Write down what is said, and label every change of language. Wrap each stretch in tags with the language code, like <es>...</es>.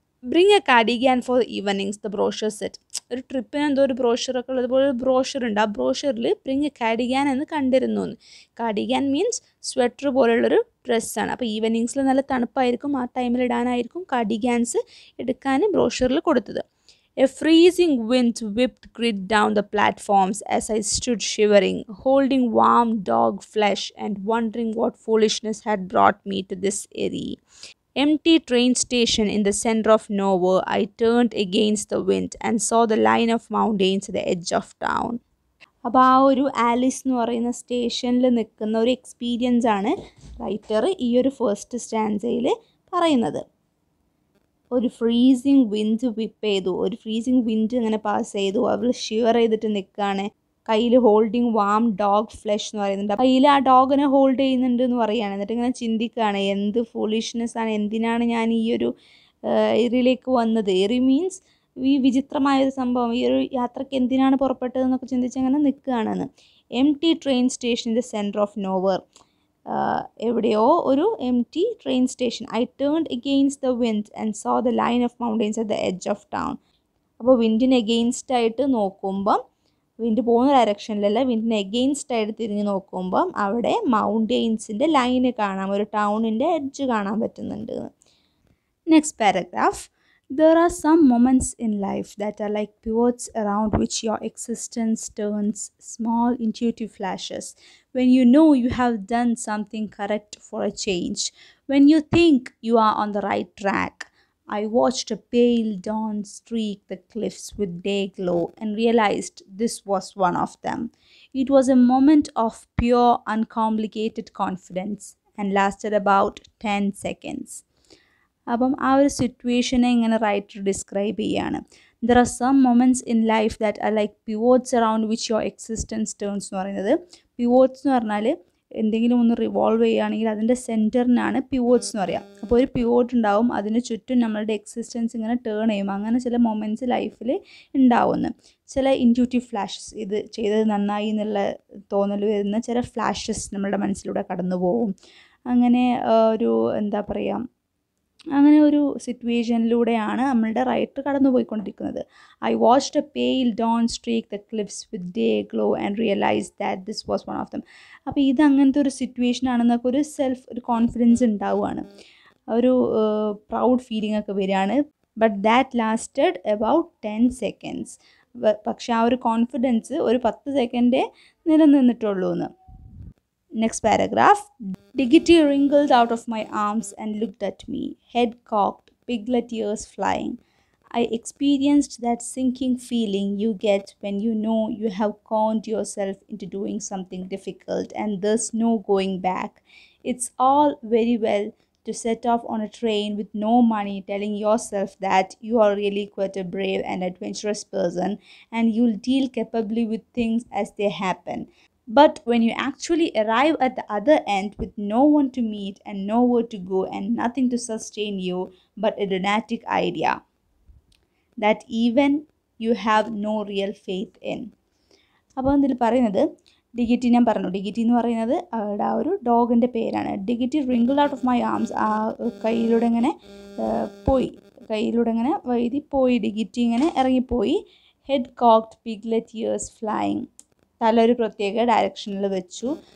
<en>Bring a cardigan for evenings the brochure said.</en> <ml>ഒരു ട്രിപ്പിന് എന്തോ ഒരു ബ്രോഷറൊക്കെ ഉള്ളതുപോലെ ഒരു ബ്രോഷറുണ്ട്. ആ ബ്രോഷറിൽ ബ്രിങ് എ കാർഡിഗൻ എന്ന് കണ്ടിരുന്നു. കാർഡിഗൻ മീൻസ് സ്വെറ്റർ പോലുള്ളൊരു ഡ്രസ്സാണ്. അപ്പോൾ ഈവനിങ്സിൽ നല്ല തണുപ്പായിരിക്കും, ആ ടൈമിൽ ഇടാനായിരിക്കും കാർഡിഗാൻസ് എടുക്കാൻ ബ്രോഷറിൽ കൊടുത്തത്.</ml> <en>A freezing wind whipped grit down the platforms as I stood shivering, holding warm dog flesh and wondering what foolishness had brought me to this eerie. Empty train station in the center of nowhere, I turned against the wind and saw the line of mountains at the edge of town.</en> <ml>അപ്പോൾ ആ ഒരു Alice എന്ന് പറയുന്ന സ്റ്റേഷനിൽ നിൽക്കുന്ന ഒരു experience ആണ് writer ഈ ഒരു ഫസ്റ്റ് സ്റ്റാൻസയിൽ പറയുന്നത്. ഒരു ഫ്രീസിങ് വിൻഡ് വിപ്പ് ചെയ്തു, ഒരു ഫ്രീസിങ് വിൻഡ് ഇങ്ങനെ പാസ് ചെയ്തു, അവൾ ഷിവർ ചെയ്തിട്ട് നിൽക്കുകയാണ്. കയ്യിൽ</ml> <en>holding warm dog flesh</en> <ml>എന്ന് പറയുന്നുണ്ട്. കയ്യിൽ ആ ഡോഗിനെ ഹോൾഡ് ചെയ്യുന്നുണ്ട് എന്ന് പറയുകയാണ്. എന്നിട്ട് ഇങ്ങനെ ചിന്തിക്കുകയാണ്, എന്ത് ഫൂളിഷ്നെസ് ആണ്, എന്തിനാണ് ഞാൻ ഈ ഒരു ഇറിയിലേക്ക് വന്നത്. എറി മീൻസ് ഈ വിചിത്രമായൊരു സംഭവം, ഈ ഒരു യാത്രയ്ക്ക് എന്തിനാണ് പുറപ്പെട്ടത് എന്നൊക്കെ ചിന്തിച്ച് അങ്ങനെ നിൽക്കുകയാണെന്ന്.</ml> <en>empty train station in the centre of nowhere,</en> <ml>എവിടെയോ ഒരു M T train station.</ml> <en>I turned against the wind and saw the line of mountains at the edge of town.</en> <ml>അപ്പോൾ വിൻഡിന് എഗെയിൻസ്റ്റ് ആയിട്ട് നോക്കുമ്പം, വിൻഡ് പോകുന്ന ഡയറക്ഷനിലല്ല, വിൻഡിന് against ആയിട്ട് തിരിഞ്ഞ് നോക്കുമ്പം അവിടെ മൗണ്ടെയ്ൻസിൻ്റെ ലൈൻ കാണാം, ഒരു ടൗണിൻ്റെ എഡ്ജ് കാണാൻ പറ്റുന്നുണ്ട്.</ml> <en>Next paragraph. There are some moments in life that are like pivots around which your existence turns small intuitive flashes. When you know you have done something correct for a change. When you think you are on the right track. I watched a pale dawn streak the cliffs with day glow and realized this was one of them. It was a moment of pure uncomplicated confidence and lasted about 10 seconds.</en> <ml>അപ്പം ആ ഒരു സിറ്റുവേഷനെ ഇങ്ങനെ writer describe ചെയ്യുകയാണ്.</ml> <en>there are some moments in life that are like pivots around which your existence turns</en> <ml>എന്ന് പറയുന്നത്, പിവോട്ട്സ് എന്ന് പറഞ്ഞാൽ എന്തെങ്കിലും ഒന്ന് റിവോൾവ് ചെയ്യുകയാണെങ്കിൽ അതിൻ്റെ സെൻറ്ററിനാണ് പിവോട്ട്സ് എന്ന് പറയുക. അപ്പോൾ ഒരു പിവോട്ട് ഉണ്ടാവും, അതിന് ചുറ്റും നമ്മളുടെ എക്സിസ്റ്റൻസ് ഇങ്ങനെ ടേൺ ചെയ്യും. അങ്ങനെ ചില മൊമെൻറ്റ്സ് ലൈഫിൽ ഉണ്ടാവുന്ന ചില ഇൻറ്റ്യൂട്ടീവ് ഫ്ലാഷസ്, ഇത് ചെയ്തത് നന്നായി എന്നുള്ള തോന്നൽ വരുന്ന ചില ഫ്ലാഷസ് നമ്മുടെ മനസ്സിലൂടെ കടന്നു പോകും. അങ്ങനെ ഒരു എന്താ പറയുക, അങ്ങനെ ഒരു സിറ്റുവേഷനിലൂടെയാണ് നമ്മളുടെ റൈറ്റർ കടന്നു പോയിക്കൊണ്ടിരിക്കുന്നത്.</ml> <en>I watched a pale dawn streak the cliffs with day glow and realise that this was one of them.</en> <ml>അപ്പോൾ ഇത് അങ്ങനത്തെ ഒരു സിറ്റുവേഷനാണെന്നൊക്കെ ഒരു സെൽഫ് ഒരു കോൺഫിഡൻസ് ഉണ്ടാവുകയാണ്, ഒരു പ്രൗഡ് ഫീലിംഗ് ഒക്കെ വരികയാണ്.</ml> <en>But that lasted about 10 seconds.</en> <ml>പക്ഷേ ആ ഒരു കോൺഫിഡൻസ് ഒരു 10 seconds നിലനിന്നിട്ടുള്ളൂ എന്ന്.</ml> <en>Next paragraph. Dignity wrinkled out of my arms and looked at me, head cocked, piglet ears flying. I experienced that sinking feeling you get when you know you have conned yourself into doing something difficult and there's no going back. It's all very well to set off on a train with no money, telling yourself that you are really quite a brave and adventurous person and you'll deal capably with things as they happen. But when you actually arrive at the other end with no one to meet and nowhere to go and nothing to sustain you but a lunatic idea that even you have no real faith in.</en> <ml>അപ്പോൾ ഇതിൽ പറയുന്നത് ഡിഗിറ്റി, ഞാൻ പറഞ്ഞു ഡിഗിറ്റി എന്ന് പറയുന്നത് അവിടെ ആ ഒരു ഡോഗിൻ്റെ പേരാണ്. ഡിഗിറ്റി</ml> <en>wriggled out of my arms,</en> <ml>ആ കയ്യിലൂടെ ഇങ്ങനെ പോയി, കയ്യിലൂടെ ഇങ്ങനെ വൈദി പോയി, ഡിഗിറ്റി ഇങ്ങനെ ഇറങ്ങിപ്പോയി.</ml> <en>head cocked piglet ears flying,</en> <ml>തല ഒരു പ്രത്യേക ഡയറക്ഷനിൽ വെച്ചു.</ml>